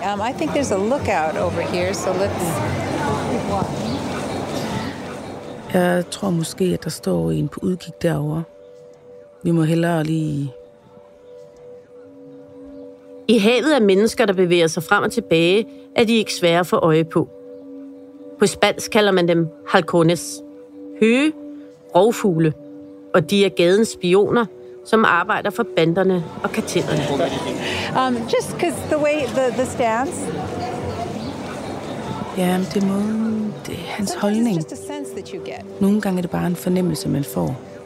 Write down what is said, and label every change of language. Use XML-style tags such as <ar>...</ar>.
<en>I think there's a lookout over here, so let's watch.</en> <da>Jeg tror måske, at der står en på udkig derover. Vi må hellere lige... I havet er mennesker, der bevæger sig frem og tilbage, er de ikke svære at få øje på. På spansk kalder man dem halcones. Høge, rovfugle. Og de er gadens spioner, som arbejder for banderne og kartellerne.</da> <en>Just because the way the stance.</en> <da>Ja, det er måden, det er hans holdning. Nogle gange er det bare en fornemmelse, man får.</da>